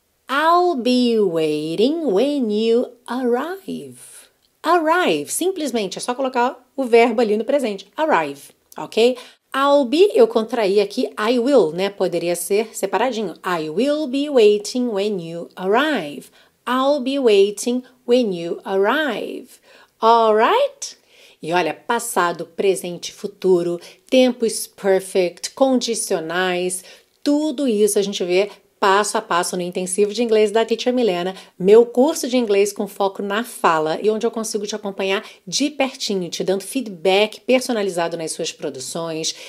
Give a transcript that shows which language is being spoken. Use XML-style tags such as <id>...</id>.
<en>I'll be waiting when you arrive.</en> <pt>Arrive, simplesmente, é só colocar o verbo ali no presente.</pt> <en>Arrive, ok? I'll be,</en> <pt>eu contraí aqui,</pt> <en>I will, né?</en> <pt>Poderia ser separadinho.</pt> <en>I will be waiting when you arrive. I'll be waiting when you arrive. All right?</en> <pt>E olha, passado, presente, futuro, tempos perfect, condicionais, tudo isso a gente vê passo a passo no intensivo de inglês da Teacher Milena, meu curso de inglês com foco na fala e onde eu consigo te acompanhar de pertinho, te dando feedback personalizado nas suas produções.</pt>